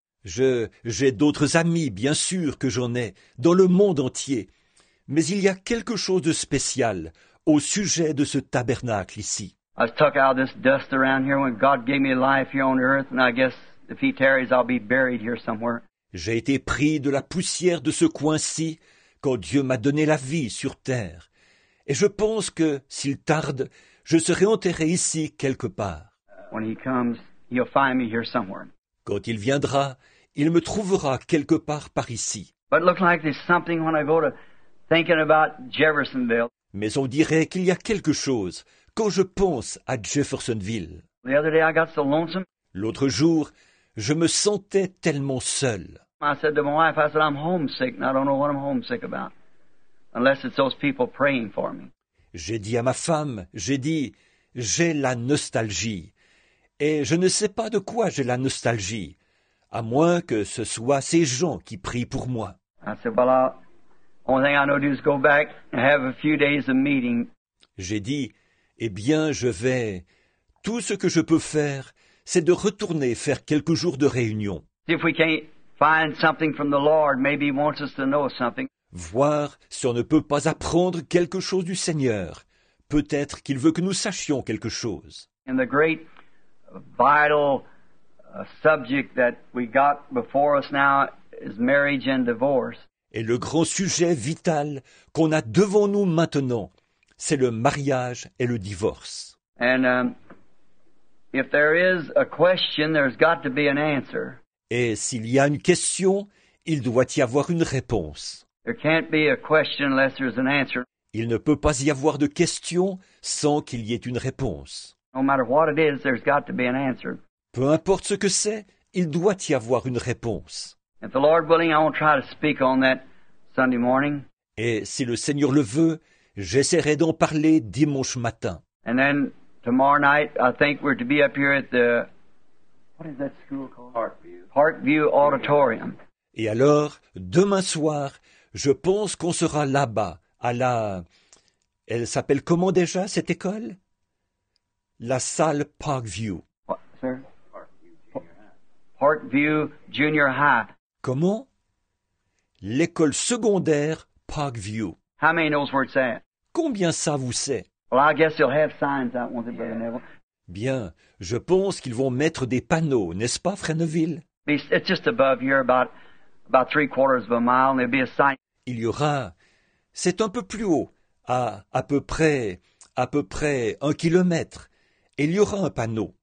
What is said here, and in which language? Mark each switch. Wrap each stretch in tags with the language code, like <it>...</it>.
<fr>J'ai d'autres amis, bien sûr que j'en ai, dans le monde entier, mais il y a quelque chose de spécial au sujet de ce tabernacle ici.</fr> <en>I was tucked out of this dust around here when God gave me life here on earth, and I guess if he tarries, I'll be buried here somewhere.</en> <fr>J'ai été pris de la poussière de ce coin-ci quand Dieu m'a donné la vie sur terre. Et je pense que, s'il tarde, je serai enterré ici quelque part.</fr> <en>When he comes, he'll find me here somewhere.</en> <fr>Quand il viendra, il me trouvera quelque part par ici.</fr> <en>But it looks like there's something when I go to thinking about Jeffersonville.</en> <fr>Mais on dirait qu'il y a quelque chose quand je pense à Jeffersonville.</fr> <en>The other day I got so lonesome.</en> <fr>L'autre jour, je me sentais tellement seul.</fr> <en>I said to my wife, I said, I'm homesick, and I don't know what I'm homesick about, unless it's those people praying for me.</en> <fr>J'ai dit à ma femme, j'ai la nostalgie, et je ne sais pas de quoi j'ai la nostalgie, à moins que ce soit ces gens qui prient pour moi.</fr> <en>I said, well, the only thing I know to do is go back and have a few days of meeting.</en> <fr>J'ai dit, eh bien, je vais, tout ce que je peux faire, c'est de retourner faire quelques jours de réunion.</fr> <en>If we can't find something from the Lord, maybe he wants us to know something.</en> <fr>Voir si on ne peut pas apprendre quelque chose du Seigneur. Peut-être qu'il veut que nous sachions quelque chose.</fr> <en>In the great vital subject that we got before us now is marriage and divorce.</en> <fr>Et le grand sujet vital qu'on a devant nous maintenant, c'est le mariage et le divorce.</fr> <en>And if there is a question, there's got to be an answer.</en> <fr>Et s'il y a une question, il doit y avoir une réponse.</fr> <en>There can't be a question unless there's an answer.</en> <fr>Il ne peut pas y avoir de question sans qu'il y ait une réponse.</fr> <en>No matter what it is, there's got to be an answer.</en> <fr>Peu importe ce que c'est, il doit y avoir une réponse.</fr> <en>If the Lord willing, I won't try to speak on that Sunday morning.</en> <fr>Et si le Seigneur le veut, j'essaierai d'en parler dimanche matin.</fr> <en>And then tomorrow night, I think we're to be up here at the, what is that school called? Parkview. Parkview Auditorium.</en> <fr>Et alors, demain soir, je pense qu'on sera là-bas, à la, elle s'appelle comment déjà, cette école? La salle Parkview.</fr> <en>What, sir? Parkview Junior High. Parkview Junior High.</en> <fr>Comment? L'école secondaire Parkview.</fr> <en>How many knows where it's at?</en> <fr>Combien ça vous sait?</fr> <en>Well, I guess they'll have signs out, won't they, Brother Neville?</en> <fr>Bien, je pense qu'ils vont mettre des panneaux, n'est-ce pas, Frère Neville?</fr> <en>It's just above here, about three quarters of a mile, and there'll be a sign.</en> <fr>Il y aura, c'est un peu plus haut, à peu près un kilomètre, et il y aura un panneau.</fr>